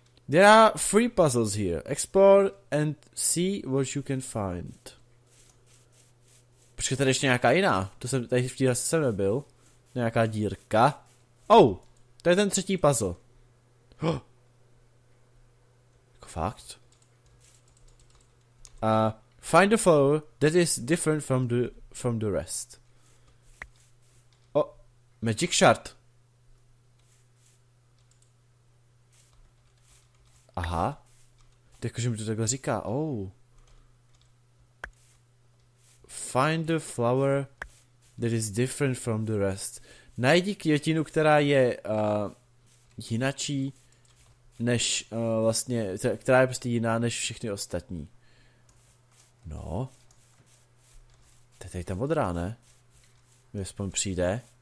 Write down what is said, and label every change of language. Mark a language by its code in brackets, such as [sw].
[en] There are three puzzles here. Explore and see what you can find. [cs] Počkej, tady ještě nějaká jiná. To jsem tady v týhle jsem nebyl. Nějaká dírka. Oh, to je ten třetí puzzle. Oh. Fakt. [en] Find a flow that is different from the rest. Oh, magic shard. [cs] Aha. Takže mi to takhle říká. Oh. [en] Find a flower that is different from the rest. [cs] Najdi květinu, která je jinačí. Než vlastně, která je prostě jiná než všechny ostatní. No. To je tady ta modrá, ne? Mě aspoň přijde.